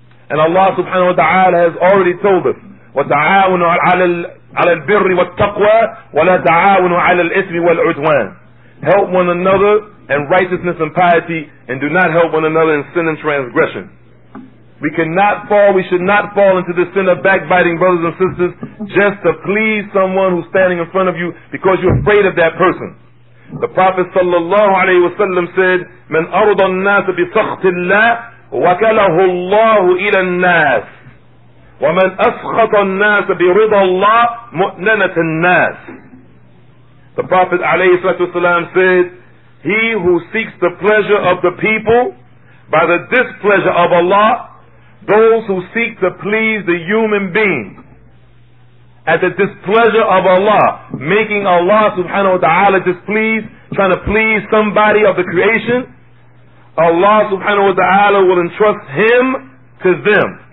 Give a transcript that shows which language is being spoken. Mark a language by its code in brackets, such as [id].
[en] And Allah subhanahu wa ta'ala has already told us, [ar] وَتَعَاوَنُوا عَلَى الْبِرِّ وَالتَّقْوَى وَلَا تَعَاوَنُوا عَلَى الْإِثْمِ وَالْعُدْوَانِ. [en] Help one another in righteousness and piety, and do not help one another in sin and transgression. We should not fall into the sin of backbiting, brothers and sisters, just to please someone who's standing in front of you because you're afraid of that person. The Prophet sallallahu alayhi wa sallam said, [ar] من أرضى الناس بسخط الله وكله الله إلى الناس ومن أسخط الناس برضى الله مؤننة الناس. [en] The Prophet ﷺ said, he who seeks the pleasure of the people by the displeasure of Allah, those who seek to please the human being at the displeasure of Allah, making Allah subhanahu wa ta'ala displeased, trying to please somebody of the creation, Allah subhanahu wa ta'ala will entrust him to them.